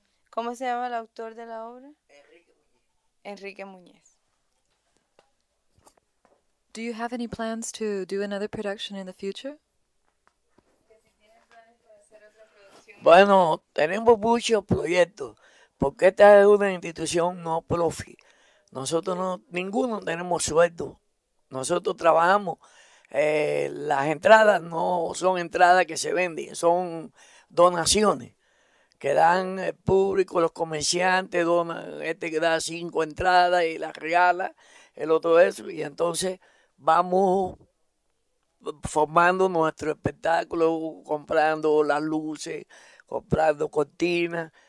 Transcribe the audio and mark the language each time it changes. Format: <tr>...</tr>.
<es>¿Cómo se llama el autor de la obra? Enrique Muñez. Enrique Muñez.</es> <en>Do you have any plans to do another production in the future?</en> <es>Bueno, tenemos muchos proyectos, porque esta es una institución no profit. Nosotros no, ninguno tenemos sueldo. Nosotros trabajamos, las entradas no son entradas que se venden, son donaciones que dan el público, los comerciantes donan, este que da 5 entradas y las regala, el otro eso, y entonces vamos formando nuestro espectáculo, comprando las luces, comprando cortinas.</es>